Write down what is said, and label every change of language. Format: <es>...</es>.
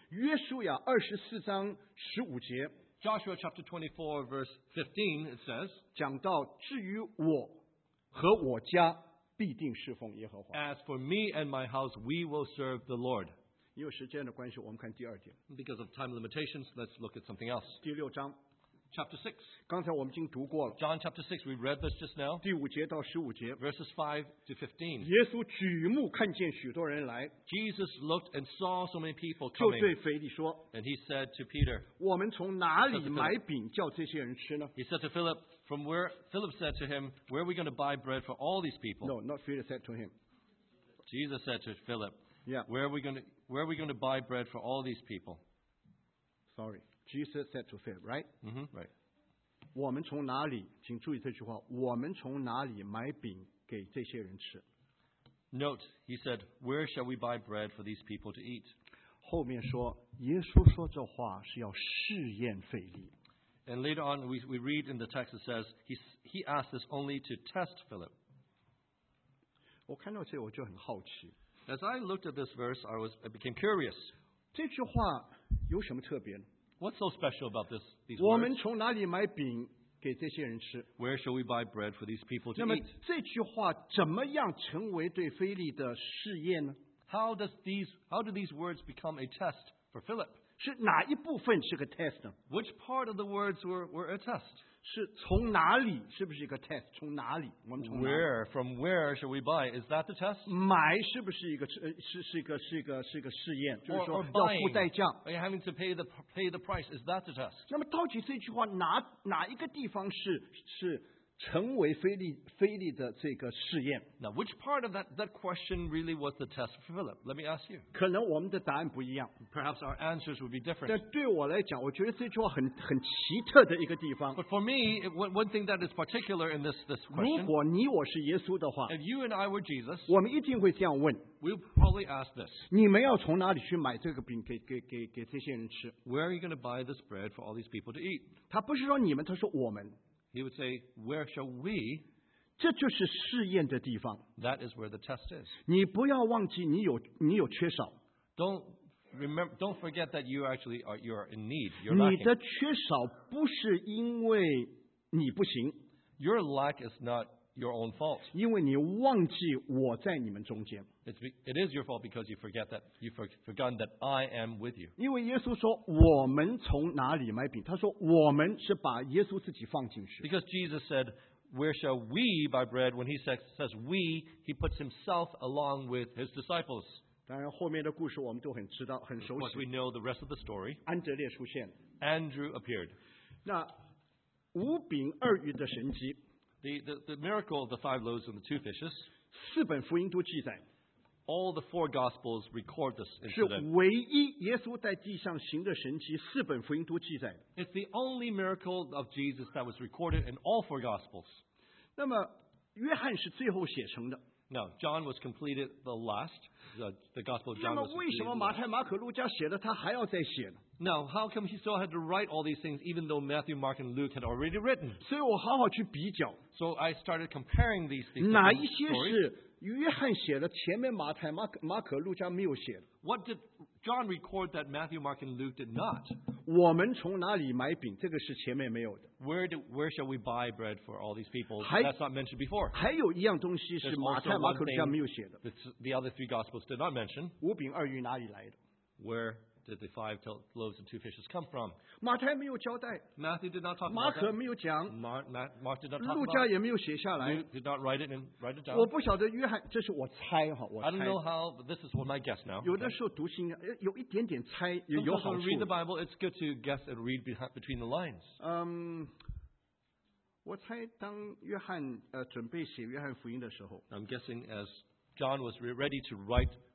<zh>约书亚二十四章十五节</zh> <en>Joshua chapter 24 verse 15 it says,</en> <zh>讲到至于我和我家必定侍奉耶和华</zh> <en>As for me and my house, we will serve the Lord.</en> <zh>因为时间的关系，我们看第二点。</zh> <en>Because of time limitations, let's look at something else.</en> <zh>第六章</zh> <en>，Chapter 6。</en> <zh>刚才我们已经读过了。</zh> <en>John chapter 6, we read this just now.</en> <zh>第五节到十五节</zh> <en>，verses 5 to 15。</en> <zh>耶稣举目看见许多人来</zh> <en>，Jesus looked and saw so many people coming.</en> <zh>就对腓力说</zh> <en>，and he said to Peter,</en> <zh>我们从哪里买饼叫这些人吃呢</zh> <en>？He said to Philip, from where? Philip said to him, where are we going to buy bread for all these people? No, not Philip said to him. Jesus said to Philip. Yeah. Where are we going to buy bread for all these people? Sorry. Jesus said to Philip, right? Mm-hmm. Right.</en> <zh>我们从哪里,请注意这句话,我们从哪里买饼给这些人吃?</zh> <en>Note, he said, where shall we buy bread for these people to eat?</en> <zh>后面说,耶稣说这话是要试验腓力。</zh> <en>And later on, we read in the text, it says, he asked this only to test Philip.</en> <zh>我看到这我就很好奇。</zh> <en>As I looked at this verse, I became curious.</en> <zh>这句话有什么特别呢?</zh> <en>What's so special about these words?</en> <zh>我们从哪里买饼给这些人吃?</zh> <en>Where shall we buy bread for these people to eat?</en> <zh>那么这句话怎么样成为对腓力的试验呢?</zh> <en>How do these words become a test for Philip?</en> <zh>是哪一部分是个 test 呢?</zh> <en>Which part of the words were a test?</en> <zh>是从哪里是不是一个 test 从哪里我们从哪里</zh> <en>Where, from where shall we buy? Is that the test?</en> <zh>买是不是一个、是一个试验就是说</zh> <en>or buying,</en> <zh>要付代价</zh> <en>Are you having to pay the price? Is that the test?</en> <zh>那么到底这句话 哪一个地方 是成为腓力的这个试验</zh> <en>Now which part of that question really was the test for Philip? Let me ask you</en> <zh>可能我们的答案不一样</zh> <en>Perhaps our answers would be different</en> <zh>但对我来讲我觉得这句话 很奇特的一个地方</zh> <en>But for me, one thing that is particular in this question</en> <zh>如果你我是耶稣的话</zh> <en>If you and I were Jesus</en> <zh>我们一定会这样问</zh> <en>We'll probably ask this</en> <zh>你们要从哪里去买这个饼 给这些人吃</zh> <en>Where are you going to buy this bread for all these people to eat?</en> <zh>他不是说你们他说我们</zh> <en>He would say, where shall we?</en> <zh>这就是试验的地方。</zh> <en>That is where the test is.</en> <zh>你不要忘记你有缺少。</zh> <en>Don't remember, don't forget that you actually are, you are in need. You're lacking.</en> <zh>你的缺少不是因为你不行。</zh> <en>Your lack is not your own fault.</en> <zh>因为你忘记我在你们中间。</zh> <en>It is your fault because you forget that you've forgotten that I am with you.</en> <zh>因为耶稣说我们从哪里买饼？他说我们是把耶稣自己放进去。</zh> <en>Because Jesus said, "Where shall we buy bread?" When he says "we," he puts himself along with his disciples.</en> <zh>当然，后面的故事我们都很知道，很熟悉。</zh> <en>Of course, we know the rest of the story.</en> <zh>安德烈出现。</zh> <en>Andrew appeared.</en> <zh>那五饼二鱼的神迹。</zh> <en>The miracle of the five loaves and the two fishes.</en> <zh>四本福音都记载。</zh> <en>All the four Gospels record this incident.</en> <zh>是唯一耶稣在地上行的神迹，四本福音都记载。</zh> <en>It's the only miracle of Jesus that was recorded in all four Gospels.</en> <zh>那么，约翰是最后写成的。</zh> <en>No, John was completed the last. The Gospel of John.</en> <zh>那么为什么马太、马可、路加写的他还要再写呢？</zh> <en>Now, how come he still had to write all these things even though Matthew, Mark, and Luke had already written?</en> <zh>所以我好好去比较。</zh> <en>So I started comparing these</en> <zh>things. 哪一些是约翰写的，前面马太、马可、路加没有写的？</zh> <en>What did John record that Matthew, Mark, and Luke did not?</en> <zh>我们从哪里买饼？这个是前面没有的。</zh> <en>Where shall we buy bread for all these people? That's not mentioned before.</en> <zh>还有一样东西是马太、马可、路加没有写的。</zh> <en>The other three Gospels did not mention.</en> <zh>五饼二鱼哪里来的？</zh> <en>Where? Did the five loaves and two fishes come from?</en> <zh>马太没有交代。</zh> <en>Matthew did not talk about</en> <zh>it. 马可没有讲。</zh> <en>Mark did not talk about</en> <zh>it. 路加也没有写下来。</zh> <en>Luke did not write it and write it down.</en> <zh>我不晓得约翰，这是我猜哈，我猜。</zh> <en>I don't know how, but this is what my guess now.</en> <zh>有的时候读心啊，有一点点猜也有好处。</zh> <en>Sometimes when read the Bible, it's good to guess and read between the lines.</en> <zh>我猜当约翰准备写约翰福音的时候。</zh> <en>I'm guessing as John was ready to write.</en>